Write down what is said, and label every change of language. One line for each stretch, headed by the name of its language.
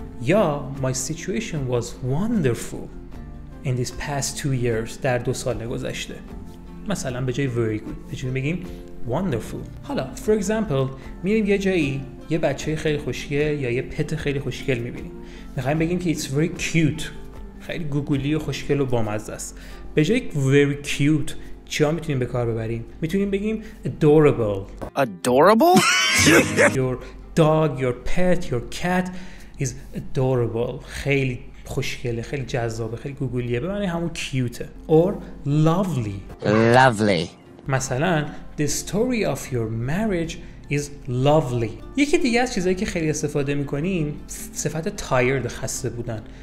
English: یا my situation was wonderful in these past two years.
Persian: در دو سال گذشته. مثلا به جای very good میتونیم بگیم wonderful. حالا for example میریم یه جایی یه بچه خیلی خوشگل یا یه پت خیلی خوشگل میبینیم، میخوایم بگیم که
English: it's very cute.
Persian: خیلی گوگولی و خوشگل و بامزه است. به جای very cute چیا میتونیم به کار ببریم؟ میتونیم بگیم adorable.
English: Your dog, your pet, your cat is adorable.
Persian: خیلی خوشگله، خیلی جذابه، خیلی گوگولیه، به معنی همون کیوته.
English: Or lovely. Lovely. مثلا the story of your marriage is lovely.
Persian: یکی دیگه از چیزایی که خیلی استفاده میکنیم صفت tired، خسته بودن.